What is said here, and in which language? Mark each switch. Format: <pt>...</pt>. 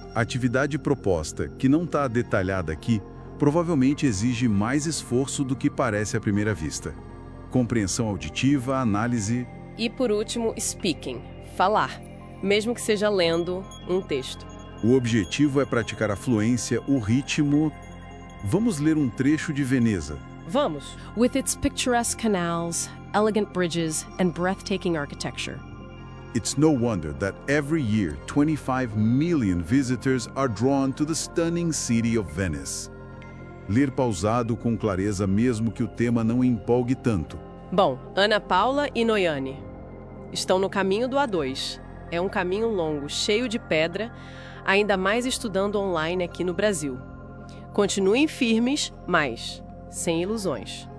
<pt>A atividade proposta, que não está detalhada aqui, provavelmente exige mais esforço do que parece à primeira vista. Compreensão auditiva, análise... E, por último, speaking. Falar, mesmo que seja lendo um texto. O objetivo é praticar a fluência, o ritmo. Vamos ler um trecho de Veneza. Vamos.</pt> <en>With its picturesque canals, elegant bridges, and breathtaking architecture. It's no wonder that every year 25 million visitors are drawn to the stunning city of Venice.</en> <pt>Ler pausado com clareza, mesmo que o tema não empolgue tanto. Bom, Ana Paula e Noiane. Estão no caminho do A2. É um caminho longo, cheio de pedra, ainda mais estudando online aqui no Brasil. Continuem firmes, mas sem ilusões.</pt>